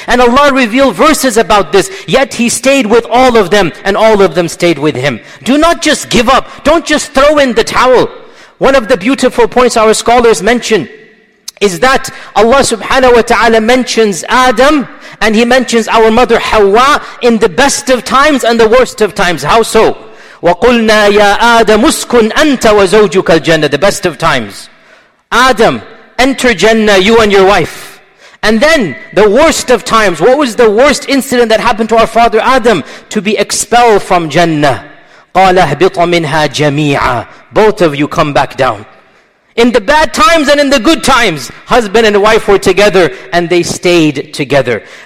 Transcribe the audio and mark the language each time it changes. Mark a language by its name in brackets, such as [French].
[English] And Allah revealed verses about this. Yet he stayed with all of them and all of them stayed with him. Do not just give up. Don't just throw in the towel. One of the beautiful points our scholars mention is that Allah subhanahu wa ta'ala mentions Adam and he mentions our mother Hawa in the best of times and the worst of times. How so? [Arabic] وَقُلْنَا يَا آدَمُ اسْكُنْ أَنْتَ وَزَوْجُكَ الْجَنَّةِ [English] The best of times. Adam, enter Jannah, you and your wife. And then, the worst of times. What was the worst incident that happened to our father Adam? To be expelled from Jannah. [Arabic] قَالَ اهْبِطَ مِنْهَا جَمِيعًا [English] Both of you come back down. In the bad times and in the good times, husband and wife were together and they stayed together.